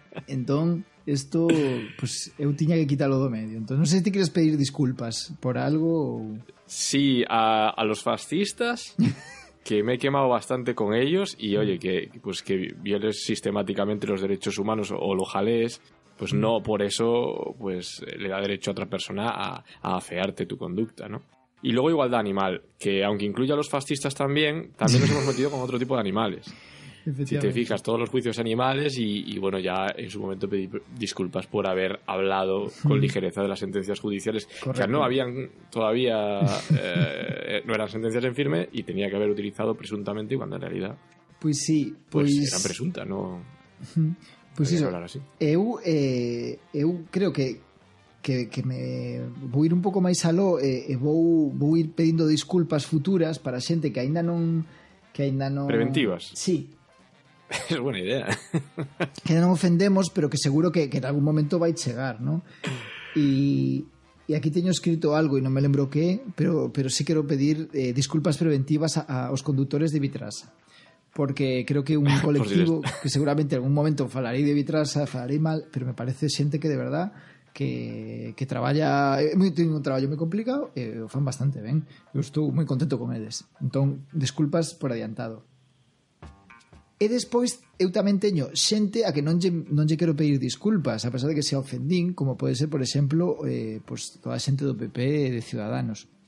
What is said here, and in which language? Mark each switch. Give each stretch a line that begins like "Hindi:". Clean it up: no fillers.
Galician: Entón, isto pues, eu tiña que quitarlo do medio. Entón, non sei se ti queres pedir disculpas por algo ou...
Spanish: Sí, a los fascistas, que me he quemado bastante con ellos e oye, que violes sistemáticamente los derechos humanos o lo jalees. Pues no, por eso pues le da derecho a otra persona a afearte tu conducta, ¿no? Y luego igualdad animal, que aunque incluya a los fascistas también nos hemos metido con otro tipo de animales. Si te fijas, todos los juicios animales y bueno, ya en su momento pedí disculpas por haber hablado con ligereza de las sentencias judiciales. Correcto. Que no habían todavía, no eran sentencias en firme y tenía que haber utilizado presuntamente cuando en realidad... Pues sí, pues eran presunta, ¿no?
Galician: Pues eso, eu creo que me vou ir un pouco máis aló e vou ir pedindo disculpas futuras para xente que aínda non preventivas.
Spanish: Sí. Es buena idea. Que no ofendemos, pero que seguro que en algún momento va a llegar, ¿no? Y aquí tengo escrito algo y no me lembro qué, pero sí quiero pedir disculpas preventivas a los conductores de Vitrasa.
Galician: Porque creo que un colectivo que seguramente en algún momento falaré de Vitrasa, falaré mal, pero me parece xente que de verdad que traballa, tiene un traballo muy complicado, o fan bastante ben. Eu estou moi contento con eles. Entón, disculpas por adiantado. E despois, eu tamén teño xente a que non lle quero pedir disculpas, a pesar de que sea ofendín, como pode ser, por exemplo, pues, toda a xente do PP e de Ciudadanos.